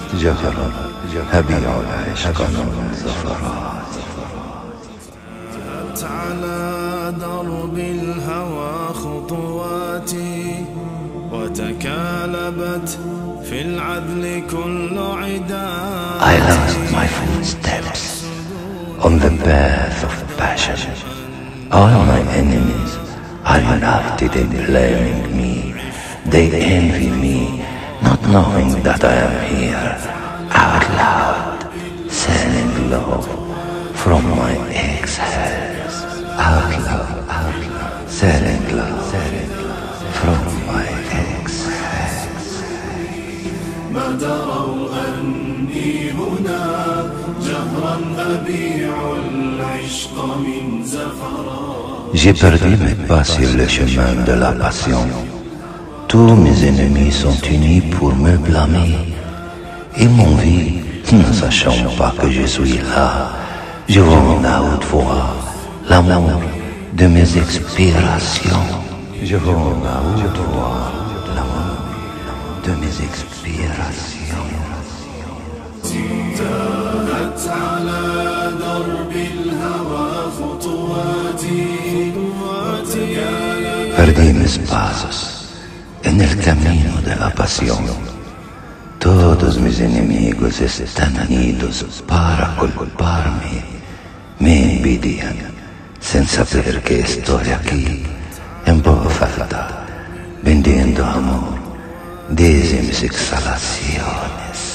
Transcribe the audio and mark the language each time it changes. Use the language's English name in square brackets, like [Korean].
[Arabic] جهرا أبيع العشق من زفراتي. تاهت على درب الهوى خطواتي، وتكالبت في العذل كل عداتي. [English] I lost my footsteps on the path of passion. All my enemies are united in blaming me. They envy me, not knowing that I am here, out loud, sending love from my exhales. Out loud, sending love, from my exhales. [Arabic] ما دروا أني هنا، جهرا أبيع العشق من زفرات. [French] J'ai perdu mes pas sur le chemin de la passion. Tous mes ennemis sont unis pour me blâmer. Ils m'ont vu, ne sachant pas que je suis là. Je vends à haute voix l'amour de mes expirations. Je vends à haute voix l'amour de mes expirations. [Arabic] تاهت على درب الهوى خطواتي، [Spanish] perdí mis pasos en el camino de la pasión. Todos mis enemigos están unidos para culparme. Me envidian sin saber que estoy aquí en voz alta, vendiendo amor desde mis exhalaciones.